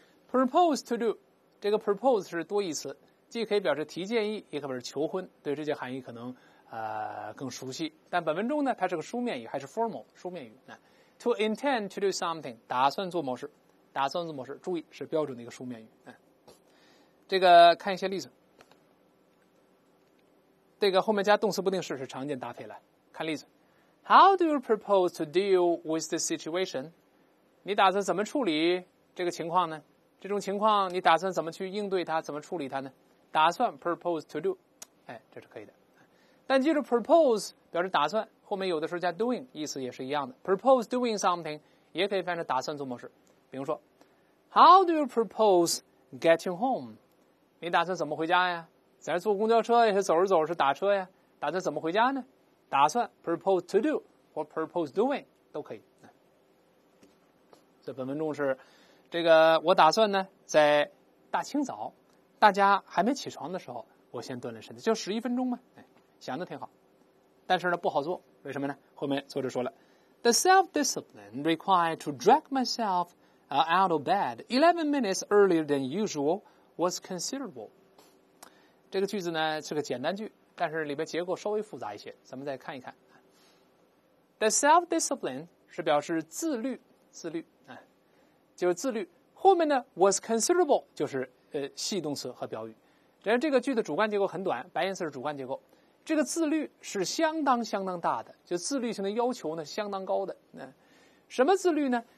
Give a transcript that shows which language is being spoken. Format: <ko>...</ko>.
<zh>propose to do 这个 propose 是多义词，既可以表示提建议，也可以表示求婚，对这些含义可能更熟悉，但本文中呢它是个书面语，还是 formal 书面语。</zh> <en>To intend to do something,</en> <zh>打算做某事，打算做某事，注意是标准的一个书面语。这个看一些例子，这个后面加动词不定式是常见搭配了。看例子，</zh> <en>How do you propose to deal with the situation?</en> <zh>你打算怎么处理这个情况呢？这种情况你打算怎么去应对它，怎么处理它呢？打算 propose to do, 这是可以的。但记住 propose 表示打算，后面有的时候加 doing 意思也是一样的。 propose doing something 也可以翻译成打算做某事，比如说</zh> <en>How do you propose getting home?</en> <zh>你打算怎么回家呀？在坐公交车也是走着走是打车呀，打算怎么回家呢？打算 propose to do 或 propose doing 都可以。这本文中是这个，我打算呢在大清早大家还没起床的时候我先锻炼身体，就11分钟嘛，想的挺好，但是呢不好做，为什么呢？后面作者说了</zh> <en>The self-discipline required to drag myself out of bed 11 minutes earlier than usual was considerable.</en> <zh>这个句子呢是个简单句，但是里边结构稍微复杂一些，咱们再看一看。 The self-discipline 是表示自律、就是自律，后面呢 was considerable 就是系动词和表语。然后这个句的主干结构很短，白颜色是主干结构，这个自律是相当相当大的，就自律性的要求呢相当高的。什么自律呢？</zh>